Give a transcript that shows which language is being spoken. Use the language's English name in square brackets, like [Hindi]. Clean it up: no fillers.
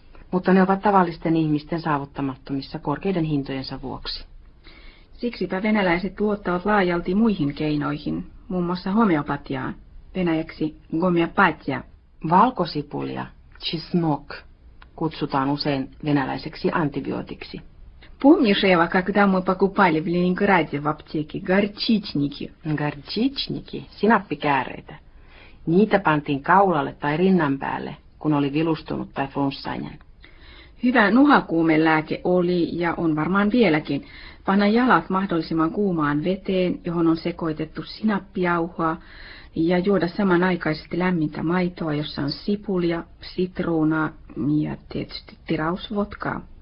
[Finnish] Mutta ne ovat tavallisten ihmisten saavuttamattomissa korkeiden hintojensa vuoksi. Siksipä venäläiset luottavat laajalti muihin keinoihin, muun muassa homeopatiaan, venäjäksi гомеопатия. Valkosipulia, чеснок, kutsutaan usein venäläiseksi antibiootiksi. [Russian] Помнишь, Ева, когда мы покупали в Ленинграде в аптеке горчичники? Горчичники, синаппикääreitä. [Finnish] Niitä pantiin kaulalle tai rinnan päälle, kun oli vilustunut tai flunssainen. Hyvä nuhakuumelääke oli ja on varmaan vieläkin. Panna jalat mahdollisimman kuumaan veteen, johon on sekoitettu sinappijauhoa, ja juoda samanaikaisesti lämmintä maitoa, jossa on sipulia, sitruunaa ja tietysti tirausvodkaa.